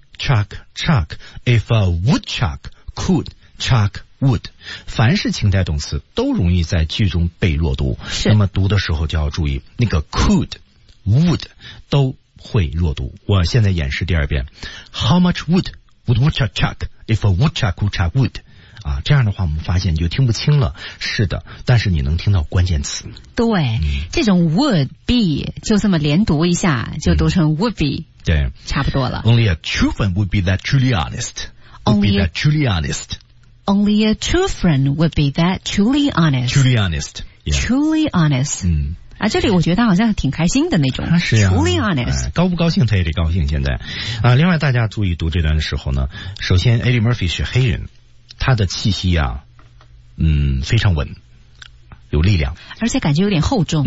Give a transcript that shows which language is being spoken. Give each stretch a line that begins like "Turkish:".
English: Chuck, chuck, if a woodchuck could chuck wood.
Chinese: 凡是情态动词都容易在句中被弱读，那么读的时候就要注意那个 could, would 都会弱读。我现在演示第二遍。
English: How much wood would woodchuck chuck if a woodchuck could chuck wood?
Chinese: 啊，这样的话我们发现你就听不清了。是的，但是你能听到关键词。对，这种
English: would be
Chinese: 就这么连读一下就读成 would be。对，差不多了。
English: Only a true friend would be that truly honest. Would be that truly honest. Only a true friend would be that truly honest. Truly honest.、Yeah. Truly honest.
Chinese: 这里我觉得好像挺开心的那种。是呀、
English: Truly honest.、
Chinese: 高不高兴他也得高兴现在。另外大家注意读这段的时候呢，首先 Eddie Murphy 是黑人，他的气息啊，非常稳。有力量，而且感觉有点厚重。